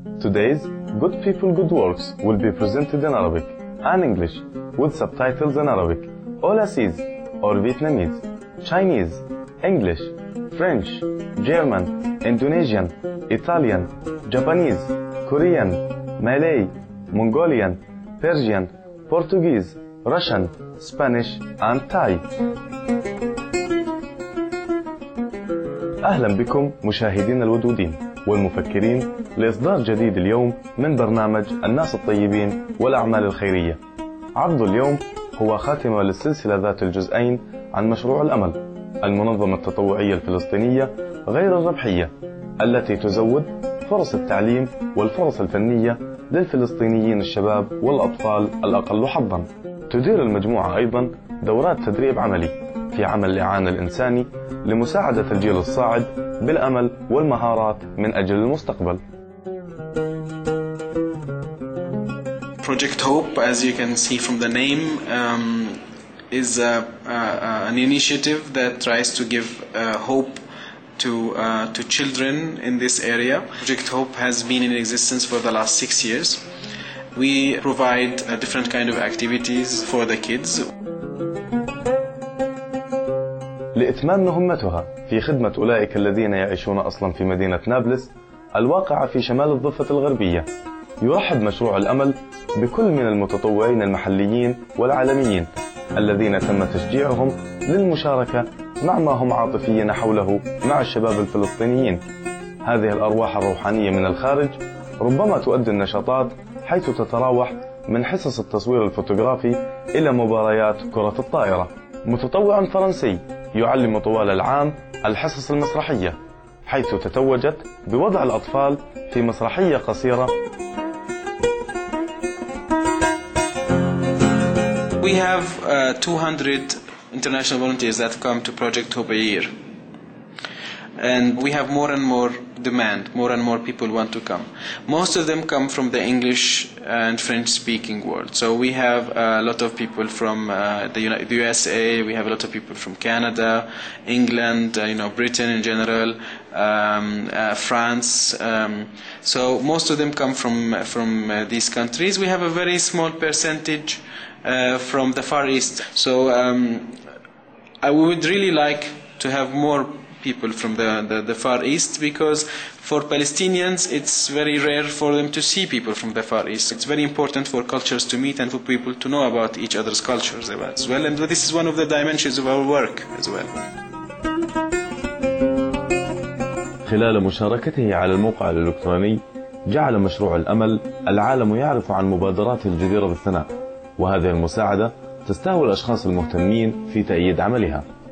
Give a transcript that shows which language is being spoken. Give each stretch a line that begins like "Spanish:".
English: days, Good People, Good Works will be presented in Arabic and English with subtitles in Arabic, Olasiz or Vietnamese, Chinese, English, French, German, Indonesian, Italian, Japanese, Korean, Malay, Mongolian, Persian, Portuguese, Russian, Spanish, and Thai.
Arabic: أهلا بكم مشاهدين الودودين والمفكرين لإصدار جديد اليوم من برنامج الناس الطيبين والأعمال الخيرية. عرض اليوم هو خاتمة للسلسلة ذات الجزئين عن مشروع الأمل، المنظمة التطوعية الفلسطينية غير الربحية التي تزود فرص التعليم والفرص الفنية للفلسطينيين الشباب والأطفال الأقل حظا. تدير المجموعة أيضا دورات تدريب عملي في عمل الإعانة الإنساني لمساعدة الجيل الصاعد بالأمل والمهارات من أجل المستقبل.
English: Project Hope, as you can see from the name, is an initiative that tries to give hope to children in this area. Project Hope has been in existence for the last 6 years. We provide a different kind of activities for the kids.
Arabic: لإتمام مهمتها في خدمة أولئك الذين يعيشون أصلاً في مدينة نابلس الواقعة في شمال الضفة الغربية، يرحب مشروع الأمل بكل من المتطوعين المحليين والعالميين الذين تم تشجيعهم للمشاركة مع ما هم عاطفيين حوله مع الشباب الفلسطينيين. هذه الأرواح الروحانية من الخارج ربما تؤدي النشاطات حيث تتراوح من حصص التصوير الفوتوغرافي إلى مباريات كرة الطائرة. متطوع فرنسي يعلم طوال العام الحصص المسرحية، حيث تتوجت بوضع الأطفال في مسرحية قصيرة.
English: We have 200 international volunteers that come to Project Hope a year. And we have more and more demand, more and more people want to come. Most of them come from the English and French speaking world. So we have a lot of people from the USA, we have a lot of people from Canada, England, you know, Britain in general, France. So most of them come from these countries. We have a very small percentage from the Far East. So I would really like to have more people from the Far East, because for Palestinians it's very rare for them to see people from the Far East. It's very important for cultures to meet and for people to know about each other's cultures as well, and this is one of the dimensions of our work as well.
Arabic: خلال مشاركته على الموقع الإلكتروني جعل مشروع الأمل العالم يعرف عن مبادرات الجديرة بالثناء، وهذه المساعدة تستهوى الأشخاص المهتمين في تأييد عملها.